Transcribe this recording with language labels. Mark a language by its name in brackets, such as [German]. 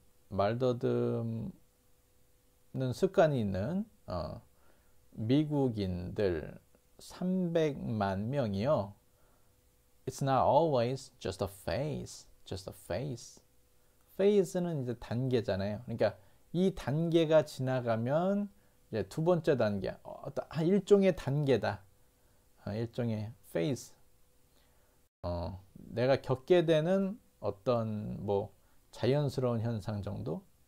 [Korean] 말 더듬는 습관이 있는 미국인들 300만 명이요. [English] It's not always just a phase, just a phase. [Korean] Phase는 이제 단계잖아요. 그러니까 이 단계가 지나가면 이제 두 번째 단계, 일종의 단계다. 일종의 [English] face. [Korean] 내가 겪게 되는 어떤 뭐 자연스러운 현상 정도?